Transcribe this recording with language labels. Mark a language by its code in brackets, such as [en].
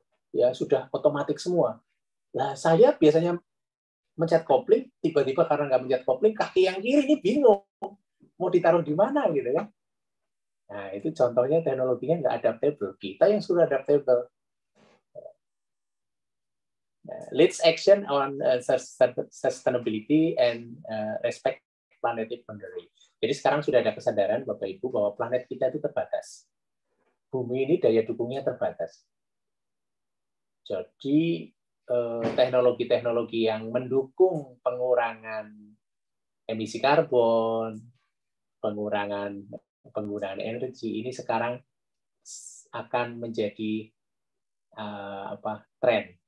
[id] Ya, sudah otomatis semua. Nah, saya biasanya mencet kopling, tiba-tiba karena nggak mencet kopling, kaki yang kiri ini bingung. Mau ditaruh di mana, gitu kan? Nah, itu contohnya teknologinya nggak adaptable. Kita yang sudah adaptable. [en] Let's action on sustainability and respect planetary boundary. [id] Jadi sekarang sudah ada kesadaran Bapak Ibu bahwa planet kita itu terbatas. Bumi ini daya dukungnya terbatas. Jadi teknologi-teknologi yang mendukung pengurangan emisi karbon, pengurangan penggunaan energi ini sekarang akan menjadi tren.